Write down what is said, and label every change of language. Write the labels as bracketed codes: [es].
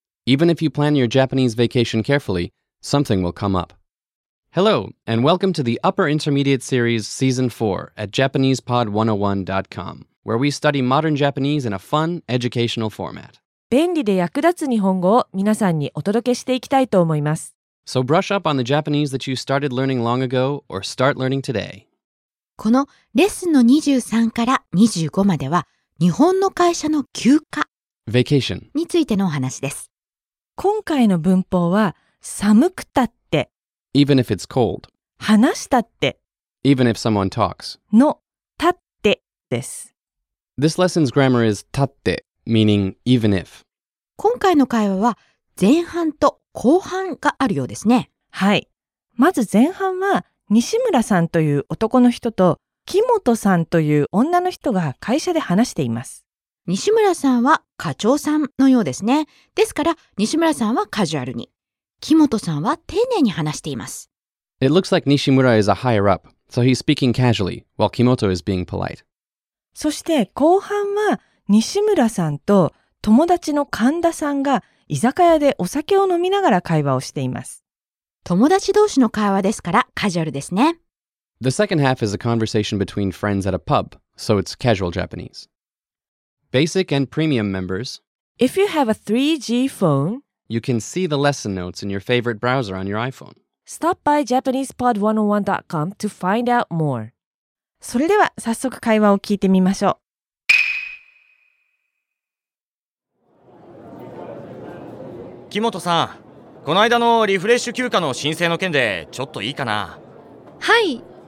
[en] Even if you plan your Japanese vacation carefully, something will come up. Hello, and welcome to the Upper Intermediate Series Season 4 at JapanesePod101.com, where we study modern Japanese in a fun, educational format. [ja] 便利で役立つ日本語を皆さんにお届けしていきたいと思います。 [en] So brush up on the Japanese that you started learning long ago or start learning today. [ja] このレッスンの23から25までは日本の会社の休暇 [en] Vacation [ja] についてのお話です。今回の文法は寒くたって [en] Even if it's cold [ja] 話したって [en] Even if someone talks [ja] のたってです。 [en] This lesson's grammar is たって meaning even if。 [ja] 今回の会話は前半と後半があるようですね。はい、まず前半は西村さんという男の人と木本さんという女の人が会社で話しています。西村さんは課長さんのようですね。ですから西村さんはカジュアルに、木本さんは丁寧に話しています。 [en] It looks like Nishimura is a higher up, so he's speaking casually, while Kimoto is being polite. [ja] そして後半は西村さんと友達の神田さんが居酒屋でお酒を飲みながら会話をしています。友達同士の会話ですからカジュアルですね。 [en] The second half is a conversation between friends at a pub, so it's casual Japanese. Basic and premium members. If you have a 3G phone, You can see the lesson notes in your favorite browser on your iPhone. Stop by JapanesePod101.com to find out more. [ja] それでは早速会話を聞いてみましょう。木本さん、この間のリフレッシュ休暇の申請の件でちょっといいかな？はい。